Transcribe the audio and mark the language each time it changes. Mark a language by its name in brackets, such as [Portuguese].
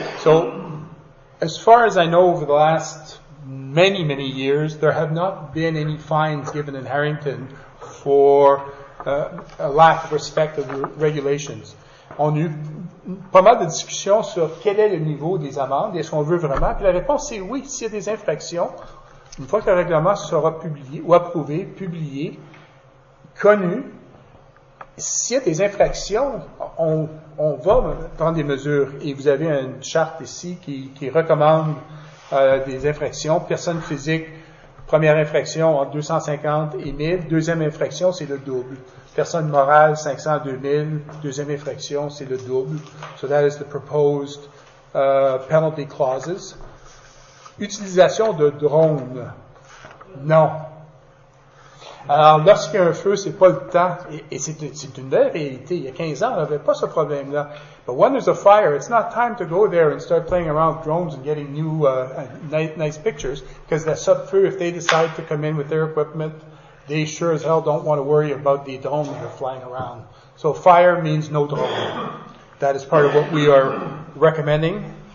[English] So, as far as I know, over the last many, many years, there have not been any fines given in Harrington for a lack of respect of regulations. [French] On a eu pas mal de discussions sur quel est le niveau des amendes, est-ce qu'on veut vraiment. Puis la réponse est oui, s'il y a des infractions, une fois que le règlement sera publié ou approuvé, publié, connu, s'il y a des infractions, on va prendre des mesures. Et vous avez une charte ici qui recommande des infractions. Personne physique, première infraction entre 250 et 1000. Deuxième infraction, c'est le double. Personne morale, 500 à 2000. Deuxième infraction, c'est le double. [English] So that is the proposed penalty clauses. [French] Utilisation de drones. Non. Alors, lorsqu'il y a un feu, c'est pas le temps, et c'est une belle réalité. Il y a 15 ans, on n'avait pas ce problème-là. [English] But when there's a fire, it's not time to go there and start playing around with drones and getting new, nice pictures, because that sub-feu, if they decide to come in with their equipment, they sure as hell don't want to worry about the drones that are flying around. So fire means no drone. That is part of what we are recommending.